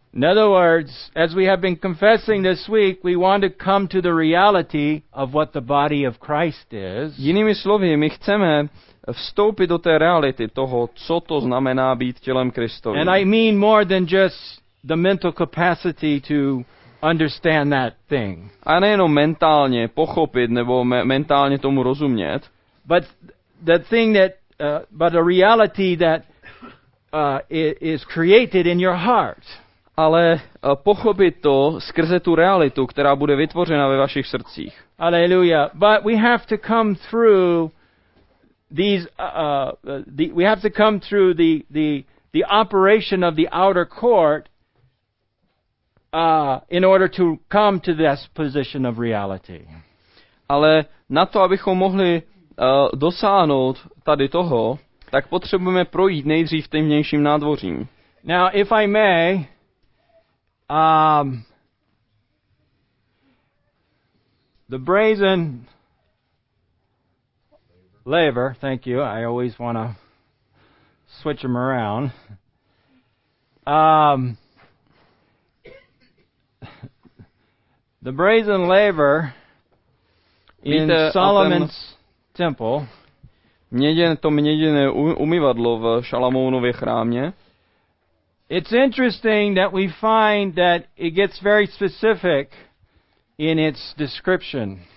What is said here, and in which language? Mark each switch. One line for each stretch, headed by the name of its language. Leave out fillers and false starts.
English: In other words, as we have been confessing this week, we want to come to the reality of what the body of Christ is.
Czech: Jinými slovy, my chceme vstoupit do té reality toho, co to znamená být tělem Kristovým.
English: And I mean more than just the mental capacity to understand that thing.
Czech: A nejenom mentálně pochopit nebo mentálně tomu rozumět.
English: But the thing that but a reality that is created in your heart.
Czech: Ale pochopit to skrze tu realitu, která bude vytvořena ve vašich srdcích.
English: Hallelujah. But we have to come through the operation of the outer court in order to come to this position of reality.
Czech: Ale na to, abychom mohli dosáhnout tady toho, tak potřebujeme projít nejdřív tím vnějším nádvořím.
English: Now, if I may, the brazen laver, thank you, I always want to switch them around, the brazen laver in Solomon's temple.
Czech: Měděné umyvadlo v Šalamounově chrámě.
English: It's interesting that we find that it gets very specific in its description.